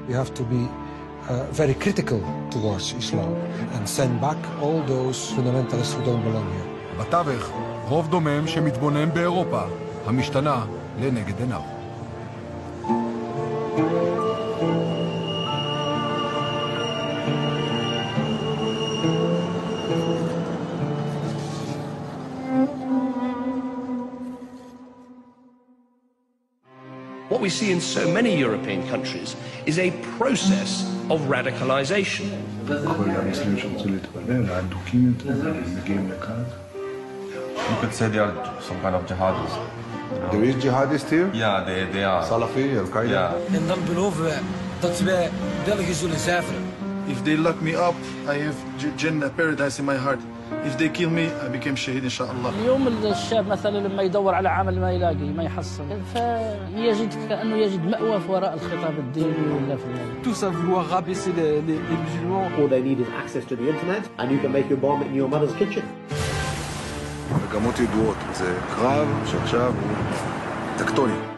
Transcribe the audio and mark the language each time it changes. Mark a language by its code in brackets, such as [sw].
[en] We have to be very critical towards Islam and send back all those fundamentalists who don't belong here. [he] בתווך, רוב דומם שמתבונם באירופה, המשתנה לנגד עיניו. [en] What we see in so many European countries is a process of radicalization. You could say they are some kind of jihadists. No. There is jihadists here? Yeah, they are. Salafi, Al-Qaeda? Yeah. [nl] En dan beloven dat we België zullen zuiveren. [en] If they lock me up, I have Jannah paradise in my heart. If they kill me, I became shaheed, inshallah. [ar] اليوم الشاب مثلا لما يدور على عمل ما يلاقي ما يحصل فيجد كأنه يجد مأوى وراء الخطاب الديني ولا في الماضي. [fr] Tous à vouloir rabaisser les musulmans. [en] All they need is access to the internet and you can make your bomb in your mother's kitchen. [he] מגמות ידועות, זה קרב שעכשיו הוא טקטוני.